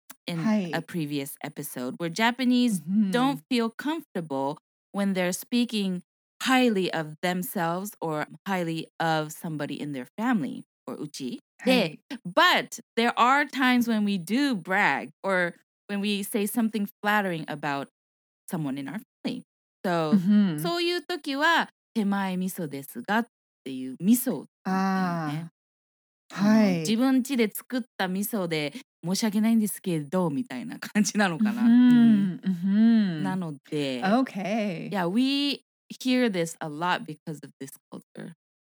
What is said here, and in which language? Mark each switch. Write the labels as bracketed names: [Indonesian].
[English] In a previous episode, where Japanese don't feel comfortable when they're speaking highly of themselves or highly of somebody in their family or uchi. But there are times when we do brag or when we say something flattering about someone in our family. [Japanese] So, そういう時は手前味噌ですがっていう味噌っていうね。はい、自分家で作った味噌で申し訳ないんですけどみたいな感じなのかな。なので、 [English] okay. Yeah, we hear this a lot because of this culture.